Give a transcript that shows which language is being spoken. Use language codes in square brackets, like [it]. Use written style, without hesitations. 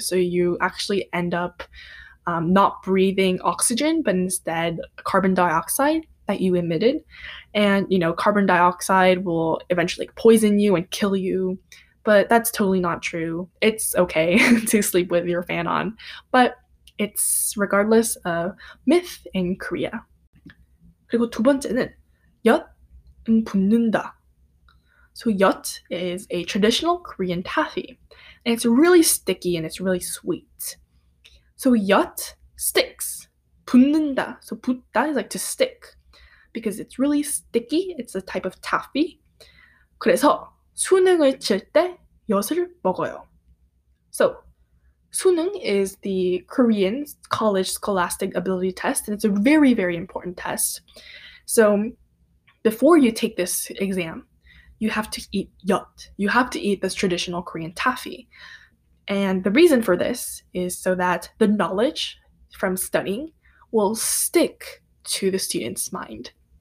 [en] So you actually end up not breathing oxygen, but instead carbon dioxide that you emitted. And, you know, carbon dioxide will eventually poison you and kill you. But that's totally not true. It's okay to sleep with your fan on. But it's regardless a myth in Korea. [ko] 그리고 두 번째는 엿은 붙는다. [en] So yeot is a traditional Korean taffy, and it's really sticky and it's really sweet. So yeot sticks. 붙는다. So 붙다 is like to stick, because it's really sticky. It's a type of taffy. [ko] 그래서 수능을 칠 때 엿을 먹어요. [en] So 수능 is the Korean college scholastic ability test, and it's a very, very important test. So before you take this exam, you have to eat yeot. You have to eat this traditional Korean taffy. And the reason for this is so that the knowledge from studying will stick to the student's mind.